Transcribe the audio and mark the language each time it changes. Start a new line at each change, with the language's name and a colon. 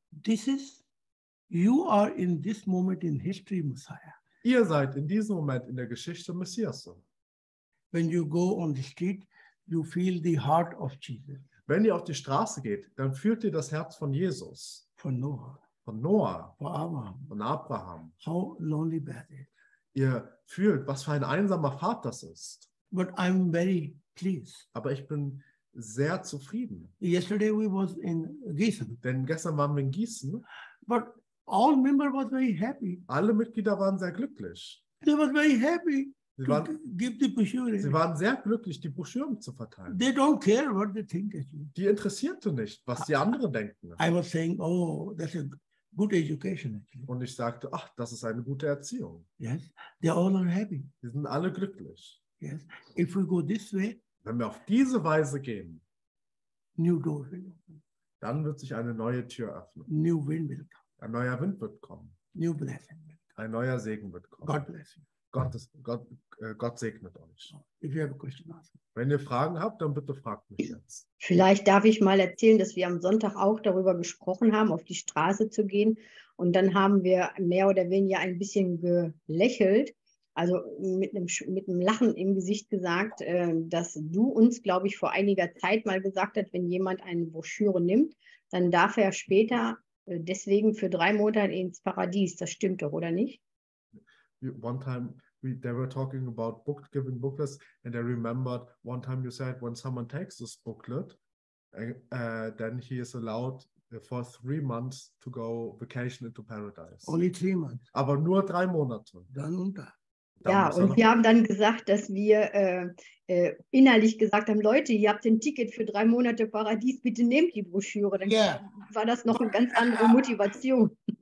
English: This is, you are in this moment in history, Messiah.
German: Ihr seid in diesem Moment in der Geschichte Messias.
English: When you go on the street, you feel the heart of Jesus.
German: Wenn ihr auf die Straße geht, dann fühlt ihr das Herz von Jesus. Von Noah. Von Noah. Von Abraham. Von Abraham.
English: How lonely that is.
German: Ihr fühlt, was für ein einsamer Pfad das ist.
English: But I'm very pleased.
German: Aber ich bin sehr zufrieden.
English: Yesterday we was in Gießen.
German: Denn gestern waren wir in Gießen.
English: But all members was very happy.
German: Alle Mitglieder waren sehr glücklich.
English: They was very happy.
German: Sie waren sehr glücklich, die Broschüren zu verteilen.
English: They don't care what they think.
German: Die interessierte nicht, was die anderen denken.
English: I was saying, oh, that's a good education.
German: Und ich sagte, ach, das ist eine gute Erziehung.
English: Yes, they all are happy.
German: Sie sind alle glücklich.
English: Yes, if we go this way,
German: wenn wir auf diese Weise gehen,
English: new door will open.
German: Dann wird sich eine neue Tür öffnen.
English: New wind will come.
German: Ein neuer Wind wird kommen.
English: New blessing will come.
German: Ein neuer Segen wird kommen.
English: God bless you.
German: Gott segnet euch.
English: If you have a question, ask.
German: Wenn ihr Fragen habt, dann bitte fragt mich jetzt. Vielleicht darf ich mal erzählen, dass wir am Sonntag auch darüber gesprochen haben, auf die Straße zu gehen. Und dann haben wir mehr oder weniger ein bisschen gelächelt, also mit einem Lachen im Gesicht gesagt, dass du uns, glaube ich, vor einiger Zeit mal gesagt hast, wenn jemand eine Broschüre nimmt, dann darf er später deswegen für 3 Monate ins Paradies. Das stimmt doch, oder nicht?
English: One time they were talking about book giving booklets, and I remembered one time you said when someone takes this booklet, then he is allowed for 3 months to go vacation into paradise. Only 3 months.
German: Aber nur 3 Monate. Dann unter. Ja, und wir haben dann gesagt, dass wir innerlich gesagt haben, Leute, ihr habt ein Ticket für 3 Monate Paradies, bitte nehmt die Broschüre. Dann war das noch eine ganz andere Motivation.